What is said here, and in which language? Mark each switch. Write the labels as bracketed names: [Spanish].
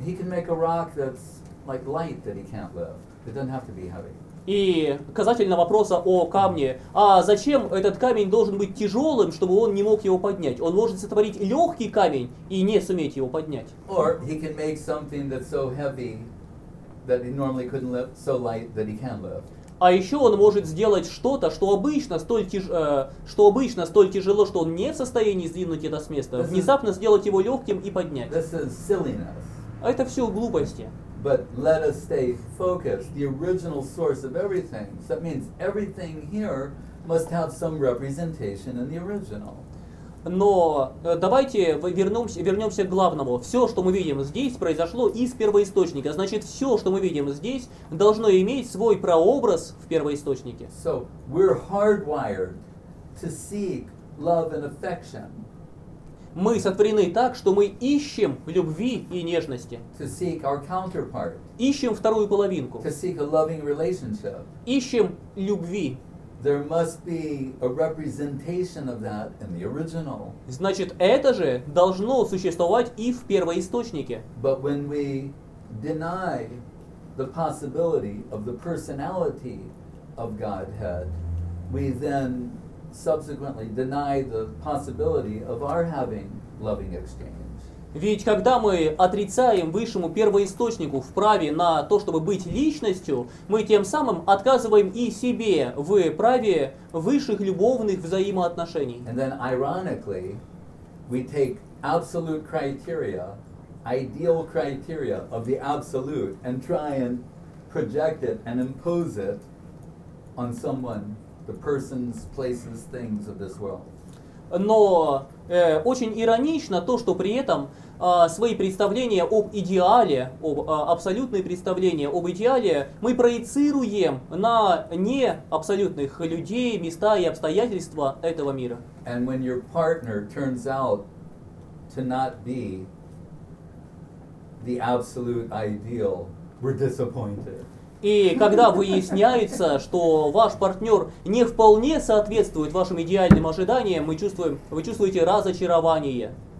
[English] He can make a rock that's like light that he can't lift. It doesn't have to be heavy. [Russian] И касательно вопроса о камне. А зачем этот камень должен быть тяжелым, чтобы он не мог его поднять? Он может сотворить легкий камень и не суметь его поднять. [English] Or he can make something that's so heavy that he normally couldn't lift, so light that he can lift. [Russian] А еще он может сделать что-то, что обычно столь тяжело, что он не в состоянии сдвинуть это с места, внезапно сделать его легким и поднять. [English] This is silliness. [Russian] А это все глупости. [English] But let us stay focused. The original source of everything. So that means everything here must have some representation in the original. [Russian] Но давайте вернемся к главному. Все, что мы видим здесь, произошло из первоисточника. Значит, все, что мы видим здесь, должно иметь свой прообраз в первоисточнике. [English] So we're hardwired to seek love and affection. [Russian] Мы сотворены так, что мы ищем любви и нежности. [English] To seek our counterpart. [Russian] Ищем вторую половинку. [English] To seek a loving relationship. [Russian] Ищем любви. [English] There must be a representation of that in the original. [Russian] Значит, это же должно существовать и в первоисточнике. [English] But when we deny the possibility of the personality of Godhead, we then subsequently deny the possibility of our having loving exchange. [Russian] Ведь когда мы отрицаем высшему первоисточнику в праве на то, чтобы быть личностью, мы тем самым отказываем и себе в праве высших любовных взаимоотношений. [English] And then, ironically, we take absolute criteria ideal criteria of the absolute and try and project it and impose it on someone, the persons, places, things of this world. [Russian] Но очень иронично то, что при этом свои представления об идеале, об абсолютные представления об идеале мы проецируем на не абсолютных людей, места и обстоятельства этого мира. [English] And when your partner turns out to not be the absolute ideal, we're disappointed. [Russian] И когда выясняется, что ваш партнер не вполне соответствует вашим идеальным ожиданиям, вы чувствуете разочарование.